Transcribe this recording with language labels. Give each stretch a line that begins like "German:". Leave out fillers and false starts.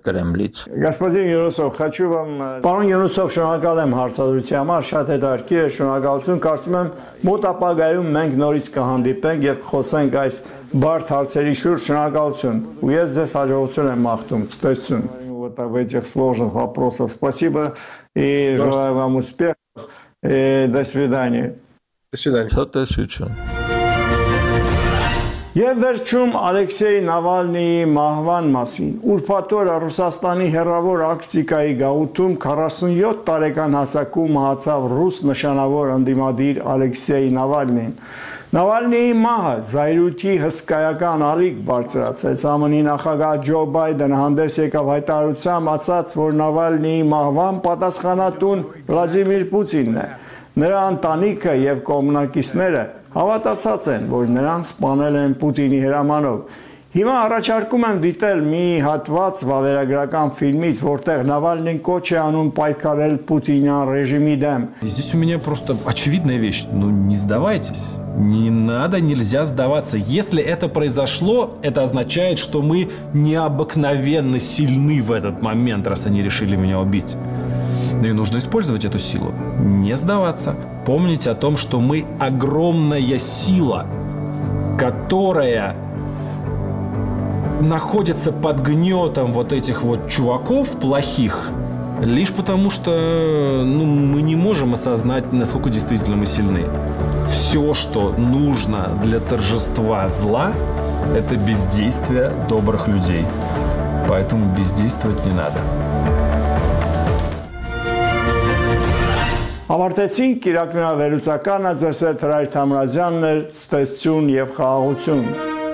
Armenian: Կրեմլից։ Պարոն Յունուսով, շնորհակալ եմ հարցազրույցի համար, շատ հետաքրքիր է, շնորհակալություն, կարծում եմ մոտ ապագայում մենք նորից կհանդիպենք և կխոսենք այս բարդ հարցերի շուրջ, շնորհակալություն, ու ես ձեզ հաջողություն եմ մաղթում, ցտեսություն։
Russian: Вот об этих сложных вопросах спасибо и желаю вам успехов. И до свидания. До свидания. До свидания.
Armenian: Եվ վերջում Ալեքսեյ Նավալնիի մահվան մասին։ Ուրբաթ Ռուսաստանի հեռավոր ակտիկայի գաղութում 47 տարեկան հասակում մահացավ ռուս նշանավոր ընդդիմադիր Ալեքսեյ Նավալնին։ Նավալնիի մահը զայրույթի հսկայական ալիք բարձրացրեց։ ԱՄՆ-ի նախագահ Ջո Բայդենը հանդես եկավ հայտարարությամբ, ասաց, որ Նավալնիի մահվան պատասխանատուն Վլադիմիր Պուտինն է։ Նրա ընտանիքը և կողմնակիցները հավատացած են, որ նրան սպանել են Պուտինի հրամանով։ Հիմա առաջարկում եմ դիտել մի հատված վավերագրական ֆիլմից, որտեղ Նավալնին կոչ է անում պայքարել Պուտինյան ռեժիմի դեմ։
Russian: Здесь у меня просто очевидная вещь, ну не сдавайтесь. Не надо, нельзя сдаваться. Если это произошло, это означает, что мы необыкновенно сильны в этот момент, раз они решили меня убить. Но и нужно использовать эту силу. Не сдаваться. Помнить о том, что мы огромная сила, которая находится под гнетом вот этих вот чуваков плохих, лишь потому что ну, мы не можем осознать, насколько действительно мы сильны. Все, что нужно для торжества зла, это бездействие добрых людей. Поэтому бездействовать не надо.
Armenian: Ավարտեցինք Կիրակնավերուցականը, ձեզ հետ Հրայր Թամրազյանն էր, ցտեսություն և խաղաղություն։